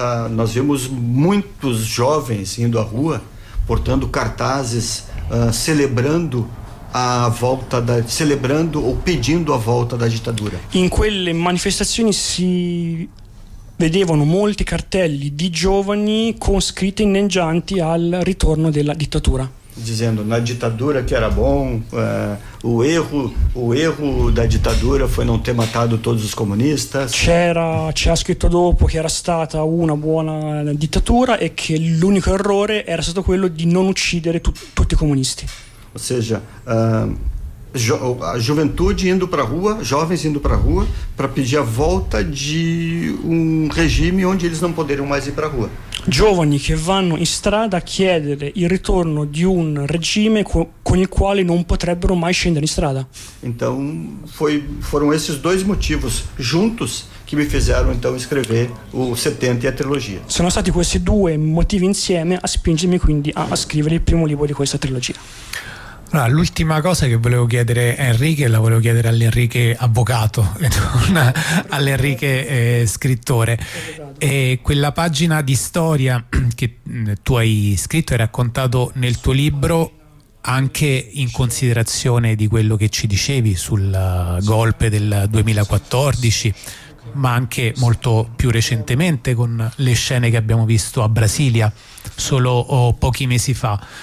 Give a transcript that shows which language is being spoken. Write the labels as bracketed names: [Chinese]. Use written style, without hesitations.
[Portuguese] nós vimos muitos jovens indo à rua portando cartazes celebrando a volta da celebrando ou pedindo a volta da ditadura. [Italian] In quelle manifestazioni si vedevano molti cartelli di giovani con scritte inneggianti al ritorno della dittatura. [Portuguese] Dizendo na ditadura que era bom, o erro da ditadura foi não ter matado todos os comunistas. [Italian] C'era scritto dopo che era stata una buona dittatura e che l'unico errore era stato quello di non uccidere tutti i comunisti. [Portuguese] Ou seja, a juventude indo para a rua, jovens indo para a rua para pedir a volta de um regime onde eles não poderiam mais ir para a rua. [Italian] Giovani che vanno in strada a chiedere il ritorno di un regime con il quale non potrebbero mai scendere in strada. [Portuguese] Então foram esses dois motivos juntos que me fizeram então escrever o 70 e a trilogia. [Italian] Sono stati questi due motivi insieme a spingermi quindi a scrivere il primo libro di questa trilogia. Allora, l'ultima cosa che volevo chiedere a Enrique, la volevo chiedere all'Enrique avvocato, non all'Enrique scrittore, e quella pagina di storia che tu hai scritto e raccontato nel tuo libro, anche in considerazione di quello che ci dicevi sul golpe del 2014, ma anche molto più recentemente con le scene che abbiamo visto a Brasilia solo pochi mesi fa.